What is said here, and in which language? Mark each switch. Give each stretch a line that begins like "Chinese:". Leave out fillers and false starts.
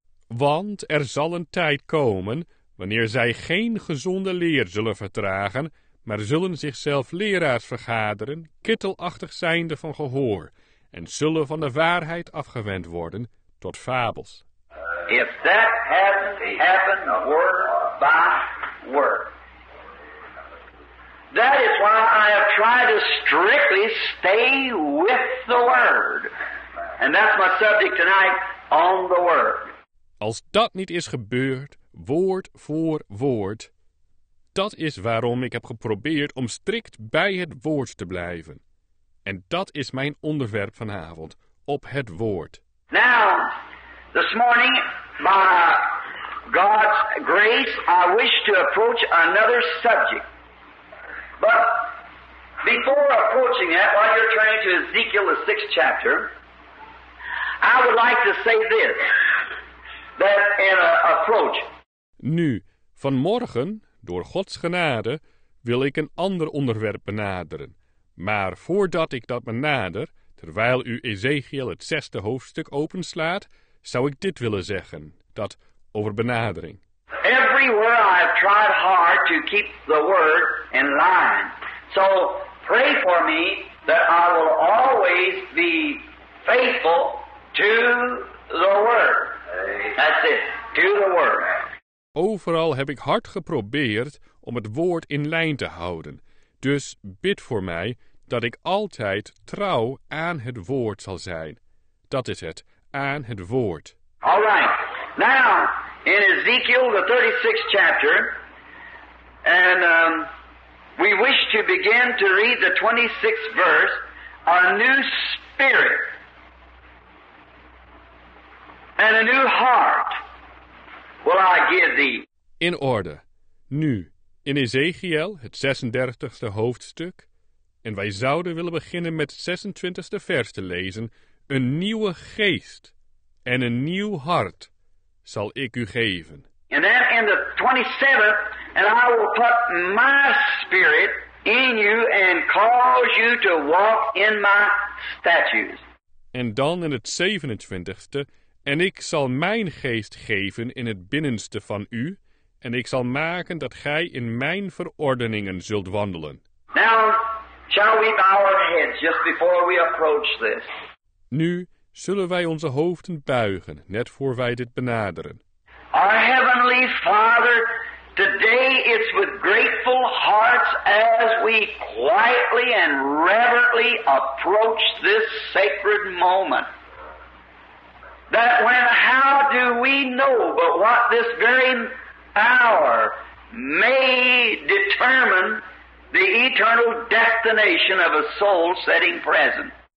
Dutch: Want er zal een tijd komen, wanneer zij geen gezonde leer zullen vertragen, maar zullen zichzelf leraars vergaderen, kittelachtig zijnde van gehoor, en zullen van de waarheid afgewend worden tot fables.
English: If that hadn't happened word by word. That is why I have tried to strictly stay with the Word. And that's my subject tonight, on the Word.
Dutch: Als dat niet is gebeurd, woord voor woord, dat is waarom ik heb geprobeerd om strikt bij het Woord te blijven. En dat is mijn onderwerp vanavond, op het Woord.
English: Now, this morning, by God's grace, I wish to approach another subject. But before approaching that, while you're turning to Ezekiel, the sixth chapter, I would like to say this, that in an approach.
Dutch: Nu, vanmorgen, door Gods genade, wil ik een ander onderwerp benaderen. Maar voordat ik dat benader, terwijl u Ezekiel het zesde hoofdstuk openslaat, zou ik dit willen zeggen, dat over benadering.
English: Everywhere I've tried hard to keep the word in line. So pray for me that I will always be faithful to the word. That's it. To the word.
Dutch: Overal heb ik hard geprobeerd om het woord in lijn te houden. Dus bid voor mij dat ik altijd trouw aan het woord zal zijn. Dat is het. Aan het woord.
English: All right. Now, in Ezekiel, the 36th chapter, and we wish to begin to read the 26th verse, a new spirit and a new heart will I give thee.
Dutch: In orde. Nu, in Ezekiel, het 36e hoofdstuk, en wij zouden willen beginnen met het 26e vers te lezen, een nieuwe geest en een nieuw hart zal ik u geven.
English: And then in the 27th, and I will put my spirit in you and cause you to walk in my statutes.
Dutch: En dan in het 27e, en ik zal mijn geest geven in het binnenste van u, en ik zal maken dat gij in mijn verordeningen zult wandelen.
English: Now, shall we bow our heads just before we approach this?
Dutch: Nu zullen wij onze hoofden buigen, net voor wij dit benaderen.
English: Our heavenly Father, today it's with grateful hearts as we quietly and reverently approach this sacred moment. That when, how do we know but what this very hour may determine the eternal destination of a soul sitting present.